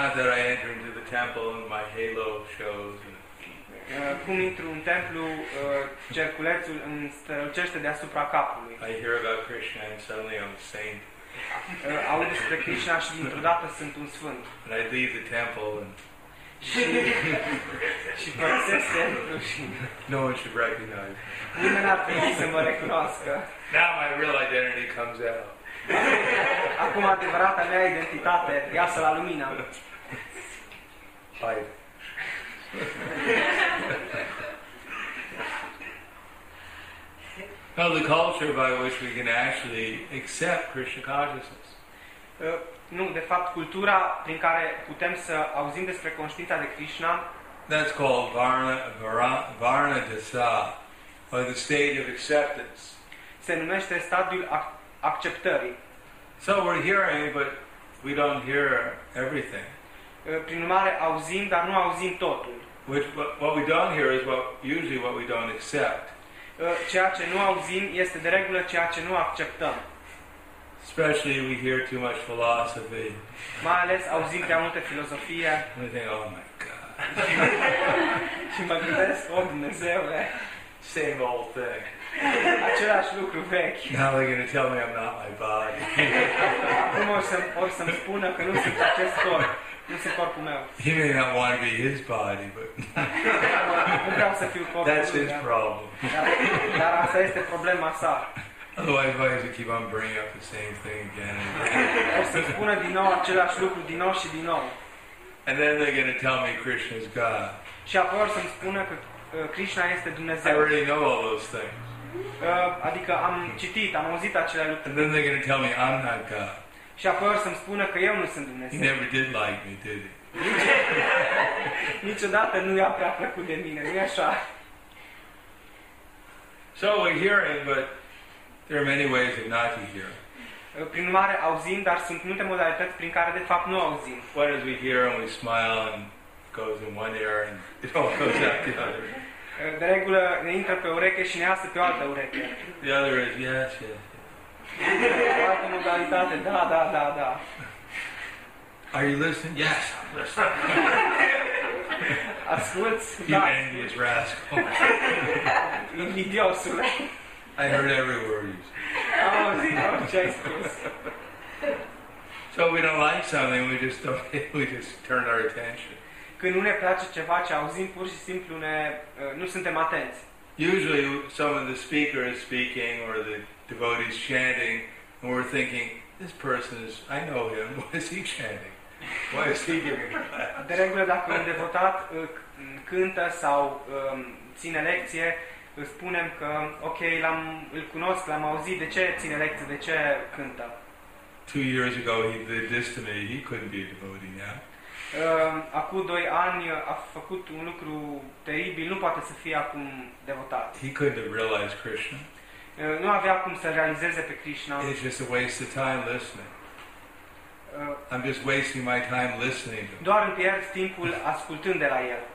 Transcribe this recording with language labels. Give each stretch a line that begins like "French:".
English: Not that I enter into the temple and my halo shows.
Romanian: Cum intru în templu, cerculețul îmi strălucește deasupra capului.
English: I hear about Krishna and suddenly I'm a saint.
Romanian: Aud despre Krishna și dintr-o dată sunt un sfânt.
English: And I leave the temple and
Romanian: și părăsesc templul și
English: no one should recognize.
Romanian: Nimeni ar trebui să mă recunoască.
English: Now my real identity comes out.
Romanian: Acum adevărata mea identitate iasă la lumină. Hai.
English: Well, the culture by which we can actually accept Krishna consciousness.
Romanian: Nu, de fapt, cultura prin care putem să auzim despre conștiința de Krishna.
English: That's called Varnadasa, or the state of acceptance.
Romanian: Se numește stadiul acceptării.
English: So we're hearing, but we don't hear everything.
Romanian: Prin urmare, auzim, dar nu auzim totul.
English: Which what we don't hear is what usually what we don't accept.
Romanian: Ceea ce nu auzim este de regulă ceea ce nu acceptăm.
English: Especially we hear too much philosophy.
Romanian: Mai ales auzim prea multe filozofie.
English: And we think, oh my God.
Romanian: Și mă gândesc, oh Dumnezeule.
English: Same old thing.
Romanian: Același lucru vechi.
English: Now they're going to tell me I'm not my body.
Romanian: Acum or să-mi spună că nu sunt acest corp. Nu sunt corpul meu.
English: He may not want to be his body, but
Romanian: nu vreau să fiu corpul
English: that's his problem.
Romanian: Dar asta este problema sa.
English: Otherwise, why does he keep on bringing up the same thing again and again?
Romanian: Or să-mi spună din nou același lucru din nou și din nou.
English: And then they're going to tell me Krishna's God.
Romanian: Și apoi or să-mi spună că Krishna este Dumnezeu.
English: I already know all those things.
Romanian: Adică am citit, am auzit acele lucruri.
English: And then they're going to tell me I'm not God.
Romanian: Și apoi or să-mi spună că eu nu sunt Dumnezeu.
English: He never did like me, did he?
Romanian: Niciodată nu i-a prea plăcut de mine, nu-i așa?
English: So we're hearing, but there are many ways of not to hear.
Romanian: Prin urmare, auzim, dar sunt multe modalități prin care, de fapt, nu auzim.
English: What is we hear and we smile and goes in one ear and it all goes out the other.
Romanian: De regulă ne intră pe ureche și ne iasă pe altă ureche.
English: The other is, yes, yes.
Romanian: O altă modalitate, da, da, da, da.
English: Are you listening? Yes, I'm listening.
Romanian: Asculți?
English: You
Romanian: da.
English: Envious rascal.
Romanian: Invidiosule.
English: I heard every word you said.
Romanian: Oh, zi, orice ai spus.
English: So we don't like something, we just don't, we just turn our attention.
Romanian: Când nu ne place ceva ce auzim, pur și simplu ne, nu suntem atenți.
English: Usually some of the speaker is speaking or the devotee is chanting and we're thinking, this person is, I know him, why is he chanting? Why is he giving class?
Romanian: De regulă, dacă un devotat cântă sau ține lecție, spunem că, ok, îl cunosc, l-am auzit, de ce ține lecție, de ce cântă?
English: 2 years ago he did this to me, he couldn't be a devotee now.
Romanian: Acum 2 ani a făcut un lucru teribil, nu poate să fie acum devotat.
English: He couldn't realize Krishna.
Romanian: Nu avea cum să realizeze pe Krishna.
English: It's just a waste of time listening. I'm just wasting my time listening to him.
Romanian: Doar îmi pierd timpul ascultând de la el.